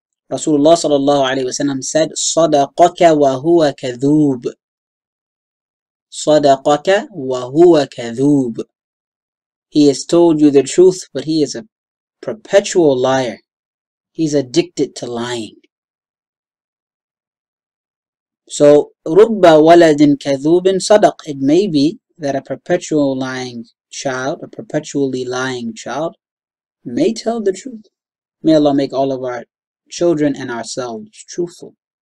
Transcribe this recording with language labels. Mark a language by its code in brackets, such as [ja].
[en] Rasulullah sallallahu alayhi wa sallam said, [ar] صَدَقَكَ وَهُوَ كَذُوب. صَدَقَكَ وَهُوَ كَذُوب. [en] He has told you the truth, but he is a perpetual liar. He's addicted to lying. [ar] So, رُبَّ وَلَدٍ كَذُوبٍ صَدَق. [en] It may be that a perpetual lying child, a perpetually lying child, may tell the truth. May Allah make all of our children and ourselves truthful.